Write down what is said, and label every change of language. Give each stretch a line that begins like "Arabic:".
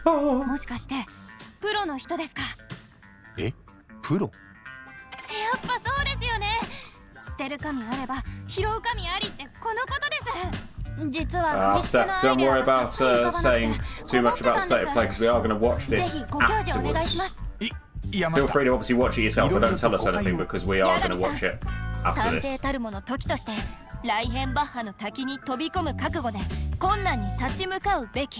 Japanese: もしかしてプロの人ですか？え、プロ？やっぱそうですよね。捨てる神あれば拾う神ありってこのことです。実は、
English: Steph, don't worry about saying too much about state of play because we are going to watch this afterwards. Feel free to obviously watch it yourself, but don't tell us anything because we are going to watch it after this.
Japanese: 探偵たるもの時として、ライヘンバッハの滝に飛び込む覚悟で困難に立ち向かうべき。